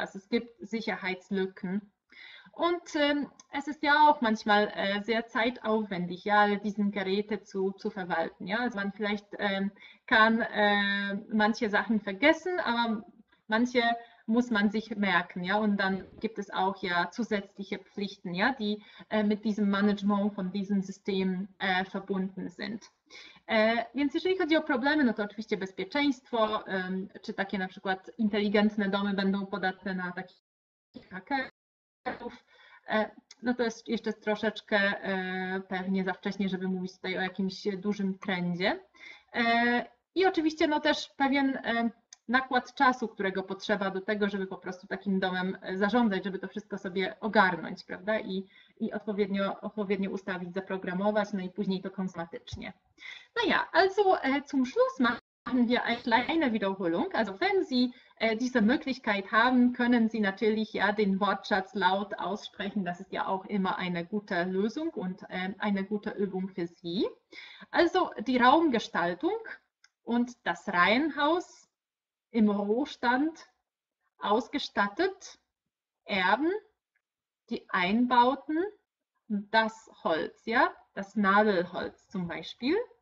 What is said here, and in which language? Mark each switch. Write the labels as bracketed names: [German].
[German] Also es gibt Sicherheitslücken. Und es ist ja auch manchmal sehr zeitaufwendig, ja, alle diesen Geräte zu verwalten. Ja, also man vielleicht kann manche Sachen vergessen, aber manche muss man sich merken, ja, und dann gibt es auch ja zusätzliche Pflichten, ja, die mit diesem Management von diesen Systemen verbunden sind. [Polish] Więc jeżeli chodzi o Probleme, no to oczywiście bezpieczeństwo, czy takie na przykład inteligentne domy będą podatne na takich hakerów. No to jest jeszcze troszeczkę pewnie za wcześnie, żeby mówić tutaj o jakimś dużym trendzie. I oczywiście no też pewien nakład czasu, którego potrzeba do tego, żeby po prostu takim domem zarządzać, żeby to wszystko sobie ogarnąć, prawda? I odpowiednio ustawić, zaprogramować, no i później to konsumatycznie. [German] Naja, also zum Schluss machen wir eine kleine Wiederholung. Also wenn Sie diese Möglichkeit haben, können Sie natürlich ja den Wortschatz laut aussprechen. Das ist ja auch immer eine gute Lösung und eine gute Übung für Sie. Also die Raumgestaltung und das Reihenhaus im Rohstand ausgestattet, Erden, die Einbauten, das Holz, ja, das Nadelholz zum Beispiel.